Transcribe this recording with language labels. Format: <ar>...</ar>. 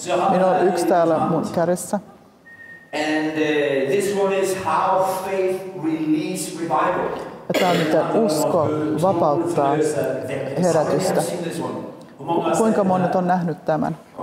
<fi>Minä olen yksi täällä mun kädessä.</fi> <en>And this one is how faith releases revival.</en> <fi>Tämä on, mitä usko vapauttaa herätystä. Kuinka monet on nähnyt tämän?</fi>